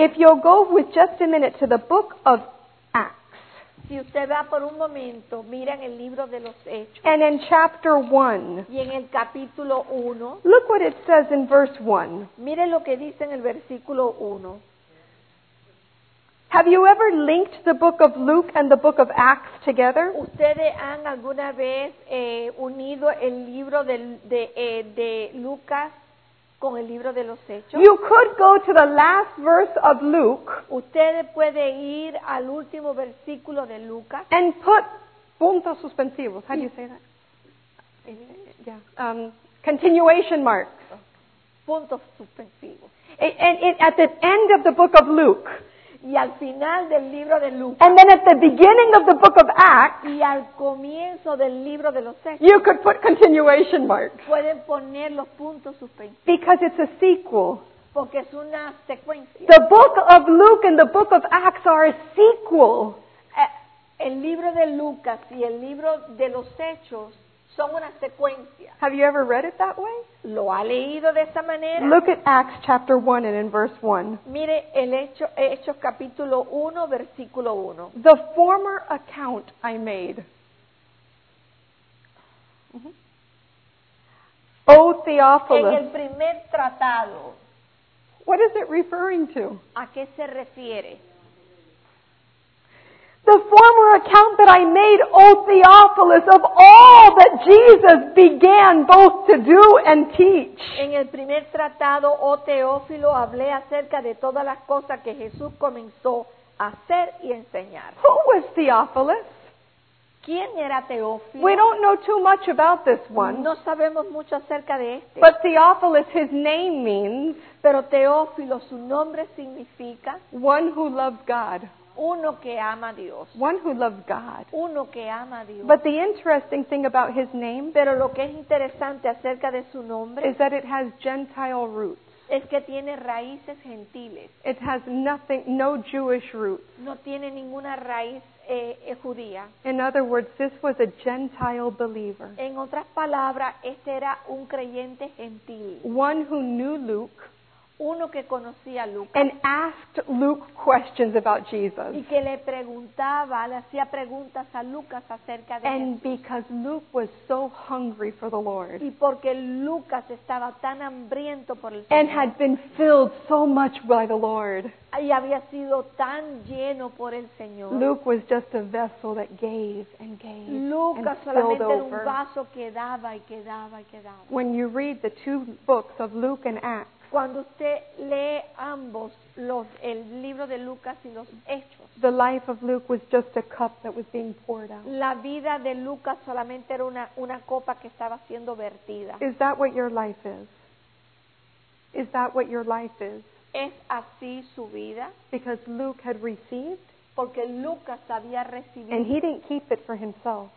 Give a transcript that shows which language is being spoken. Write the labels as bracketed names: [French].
[English] if you'll go with just a minute to the book of [Spanish] si usted va por un momento, mira en el libro de los Hechos. [English] And in chapter 1. [Spanish] Y en el capítulo 1. [English] Look what it says in verse 1. [Spanish] Mire lo que dice en el versículo 1. [English] Have you ever linked the book of Luke and the book of Acts together? [Spanish] ¿Ustedes han alguna vez unido el libro de Lucas con el libro de los Hechos? [English] You could go to the last verse of Luke. [Spanish] Usted puede ir al último versículo de Lucas. [English] And put puntos suspensivos. How do you say that? Continuation marks. [Spanish] Puntos suspensivos. [English] And at the end of the book of Luke. [Spanish] Y al final del libro de Lucas. [English] And then at the beginning of the book of Acts. [Spanish] Y al comienzo del libro de los Hechos. [English] You could put continuation marks. [Spanish] Pueden poner los puntos suspensivos. [English] Because it's a sequel. [Spanish] Porque es una secuencia. [English] The book of Luke and the book of Acts are a sequel. [Spanish] El libro de Lucas y el libro de los Hechos son una secuencia. [English] Have you ever read it that way? [Spanish] ¿Lo ha leído de esa manera? [English] Look at Acts chapter 1 and in verse 1. [Spanish] Mire el Hechos capítulo 1, versículo 1. [English] The former account I made. O Theophilus. [Spanish] En el primer tratado. [English] What is it referring to? [Spanish] ¿A qué se refiere? [English] The former account that I made, O Theophilus, of all that Jesus began both to do and teach. [Spanish] En el primer tratado, O Teófilo, hablé acerca de todas las cosas que Jesús comenzó a hacer y enseñar. [English] Who was Theophilus? [Spanish] ¿Quién era Teófilo? [English] We don't know too much about this one. [Spanish] No sabemos mucho acerca de este. [English] But Theophilus, his name means. [Spanish] Pero Teófilo, su nombre significa. [English] One who loves God. [Spanish] Uno que ama a Dios. [English] One who loves God. [Spanish] Uno que ama a Dios. [English] But the interesting thing about his name, [Spanish] pero lo que es interesante acerca de su nombre, [English] is that it has Gentile roots. [Spanish] Es que tiene raíces gentiles. [English] It has nothing, no Jewish roots. [Spanish] No tiene ninguna raíz judía. [English] In other words, this was a Gentile believer. [Spanish] En otras palabras, este era un creyente gentil. [English] One who knew Luke. [Spanish] Uno que conocía a Lucas. [English] And asked Luke questions about Jesus. [Spanish] Y que le preguntaba, le hacía preguntas a Lucas acerca de [English] And [Spanish] Jesús. [English] Because Luke was so hungry for the Lord. [Spanish] Y porque Lucas estaba tan hambriento por el [English] And [Spanish] Señor. [English] And had been filled so much by the Lord. [Spanish] Y había sido tan lleno por el Señor. [English] Luke was just a vessel that gave and gave [Spanish] Lucas [English] and spilled [Spanish] solamente [English] over. [Spanish] Era un vaso que daba y que daba y que daba. [English] When you read the two books of Luke and Acts, [Spanish] cuando usted lee ambos los el libro de Lucas y los Hechos, [English] the life of Luke was just a cup that was being poured out. [Spanish] La vida de Lucas solamente era una copa que estaba siendo vertida. [English] Is that what your life is? Is that what your life is? [Spanish] ¿Es así su vida? [English] Because Luke had received. [Spanish] Porque Lucas había recibido. [English] And he didn't keep it for himself.